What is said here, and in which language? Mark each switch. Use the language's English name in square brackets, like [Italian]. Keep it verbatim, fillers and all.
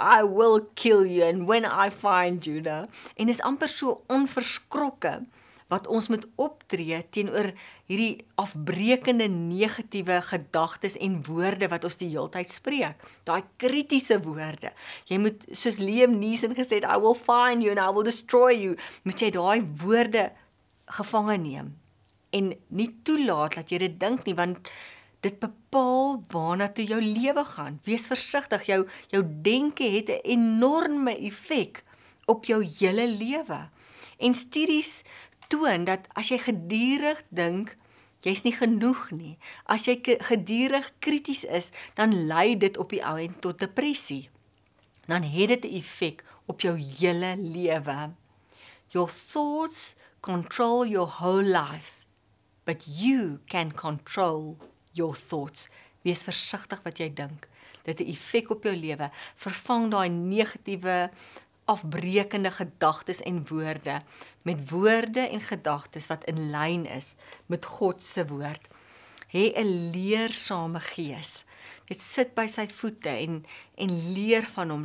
[English] I will kill you and when I find you. Da. [Afrikaans] En is amper so onverskrokke wat ons moet optree teenoor hierdie afbreekende negatiewe gedagtes en woorde wat ons die heeltyd spreek. Daai kritiese woorde. Jy moet, soos Liam Neeson gesê het, [English] I will find you and I will destroy you. [Afrikaans] Moet jy daai woorde gevange neem en nie toelaat dat jy dit dink nie, want dit bepaal waarna toe jou lewe gaan. Wees versigtig, jou, jou denke het 'n enorme effek op jou hele lewe. En studies toon dat as jy gedurig dink, jy's nie genoeg nie. As jy gedurig krities is, dan lei dit op die ou end tot depressie. Dan het dit 'n effek op jou hele lewe. [English] Your thoughts control your whole life, but you can control your thoughts. [Afrikaans] Wees versigtig wat jy dink. Dit 'n effek op jou lewe. Vervang daai negatiewe, afbreekende gedagtes en woorde met woorde en gedagtes wat in lyn is met God se woord. Hê 'n leersame gees. Dit sit by sy voete en en leer van hom.